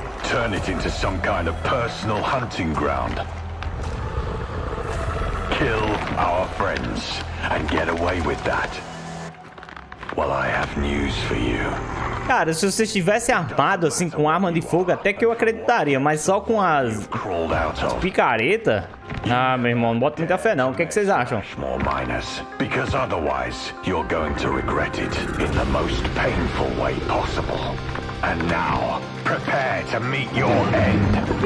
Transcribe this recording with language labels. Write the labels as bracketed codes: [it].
[en] Turn it into some kind of personal hunting ground. Kill our friends and get away with that. Well, I have news for you. [pt] Cara, se você estivesse armado assim com arma de fogo, até que eu acreditaria, mas só com as picareta? Ah, meu irmão, não bota muita fé não. O que é que vocês acham? [en] More miners, because otherwise you're going to regret it in the most painful way possible. And now, prepare to meet your end.